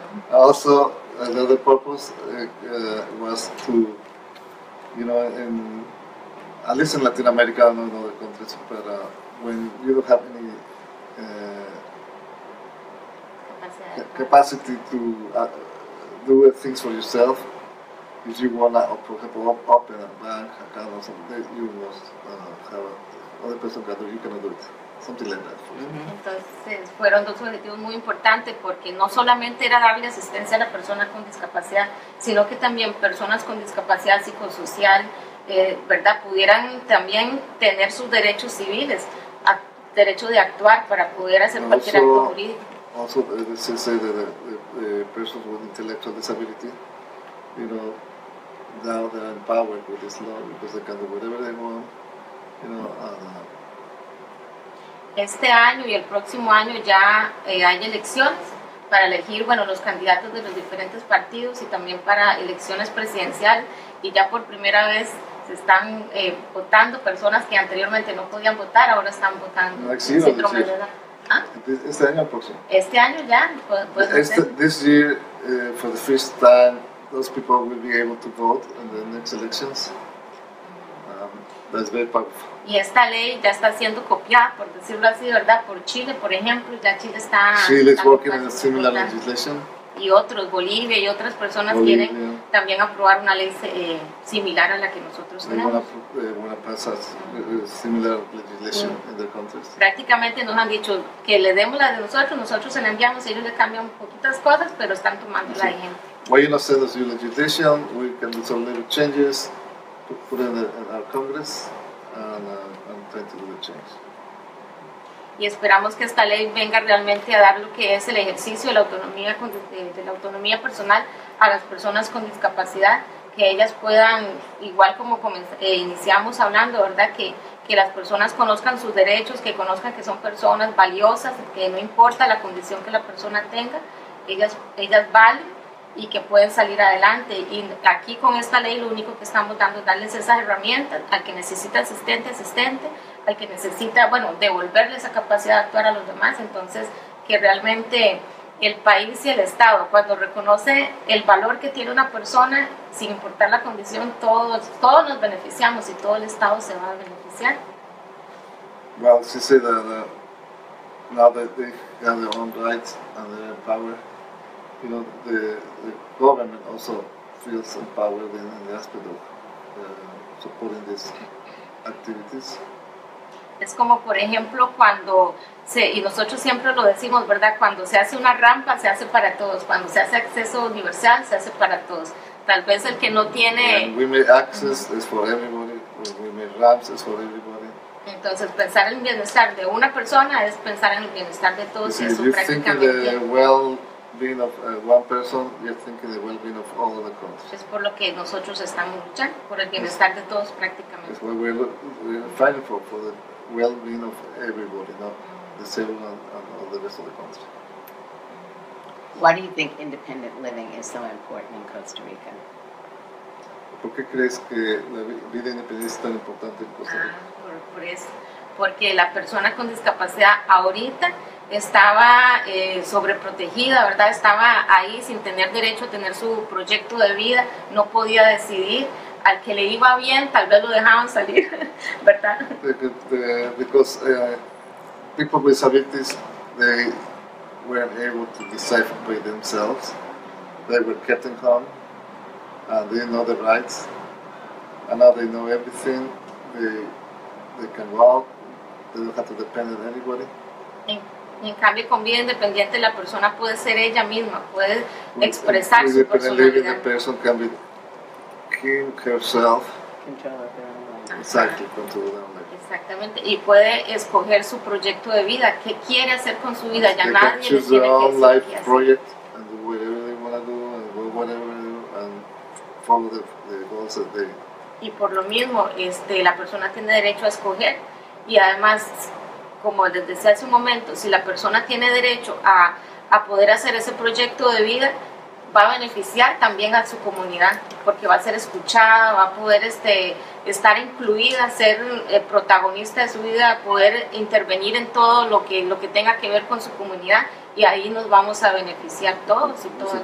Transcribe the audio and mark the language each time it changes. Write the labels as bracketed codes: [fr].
[en] Also, another purpose was to, you know, in, at least in Latin America, I don't know the countries, but when you don't have any capacity to do things for yourself, if you want to, for example, open a bank account or something, you must have another person gather, you cannot do it. [es] Entonces fueron dos objetivos muy importantes porque no solamente era darle asistencia a la persona con discapacidad, sino que también personas con discapacidad psicosocial, ¿verdad?, pudieran también tener sus derechos civiles, derecho de actuar para poder hacer cualquier acto jurídico. [en] Also, this is the persons with intellectual disability, you know, now they're empowered with this law because they can do whatever they want, you know. [es] Este año y el próximo año ya hay elecciones para elegir, bueno, los candidatos de los diferentes partidos y también para elecciones presidenciales. Y ya por primera vez se están votando personas que anteriormente no podían votar, ahora están votando. No existe, ¿no? ¿Este año o próximo? Este año ya. [en] This year, for the first time, those people will be able to vote in the next elections. That's very powerful. [es] Y esta ley ya está siendo copiada, por decirlo así, ¿verdad? Por Chile, por ejemplo, ya Chile está... [en] Chile is working on a similar legislation. [es] Y otros, Bolivia y otras personas Bolivia quieren también aprobar una ley similar a la que nosotros tenemos. [en] They want to pass a similar legislation in their countries. [es] Prácticamente nos han dicho que le demos la de nosotros, nosotros se la enviamos, ellos le cambian poquitas cosas, pero están tomando la gente. [en] Why you not send us your legislation? We can do some little changes. Put it in our Congress and try to do the change. [es] Y esperamos que esta ley venga realmente a dar lo que es el ejercicio de la autonomía de la autonomía personal a las personas con discapacidad, que ellas puedan, igual como iniciamos hablando, ¿verdad?, que las personas conozcan sus derechos, que conozcan que son personas valiosas, que no importa la condición que la persona tenga, ellas valen y que pueden salir adelante. Y aquí con esta ley lo único que estamos dando es darles esas herramientas al que necesita asistente, al que necesita, bueno, devolverle esa capacidad de actuar a los demás. Entonces, que realmente el país y el Estado, cuando reconoce el valor que tiene una persona, sin importar la condición, todos nos beneficiamos y todo el Estado se va a beneficiar. [en] Well, she said that now that they have their own rights and their power, you know, the government also feels empowered in the aspect of supporting these activities. [es] Es como, por ejemplo, cuando y nosotros siempre lo decimos, ¿verdad? Cuando se hace una rampa, se hace para todos. Cuando se hace acceso universal, se hace para todos. Tal vez el que no tiene... [en] And we may access, is for everybody. We may ramps, is for everybody. [es] Entonces, pensar en el bienestar de una persona es pensar en el bienestar de todos. [en] You see, [es] y eso prácticamente... [en] well-being of one person, you're thinking the well-being of all of the countries. [es] Es por lo que nosotros estamos luchando, por el bienestar de todos prácticamente. [en] It's what we're fighting for the well-being of everybody, not the civil and all the rest of the country. Why do you think independent living is so important in Costa Rica? [es] ¿Por qué crees que la vida independiente es tan importante en Costa Rica? Por eso. Porque la persona con discapacidad ahorita estaba sobreprotegida, ¿verdad? Estaba ahí sin tener derecho a tener su proyecto de vida, no podía decidir. Al que le iba bien, tal vez lo dejaban salir, ¿verdad? [en] Because people with disabilities, they weren't able to decide by themselves. They were kept in home. And they know the rights, and now they know everything. They can walk. They don't have to depend on anybody. [es] En cambio, con vida independiente, la persona puede ser ella misma, puede expresar su personalidad. [en] The person can be king herself. Control their own life. [es] Exactamente, y puede escoger su proyecto de vida. ¿Qué quiere hacer con su vida? Ya nadie le tiene que decir. [en] Choose their own life project and do whatever they want to do and do whatever. [es] Y por lo mismo, la persona tiene derecho a escoger. Y además, como les decía hace un momento, si la persona tiene derecho a poder hacer ese proyecto de vida, va a beneficiar también a su comunidad, porque va a ser escuchada, va a poder estar incluida, ser protagonista de su vida, poder intervenir en todo lo que tenga que ver con su comunidad, y ahí nos vamos a beneficiar todos y todas.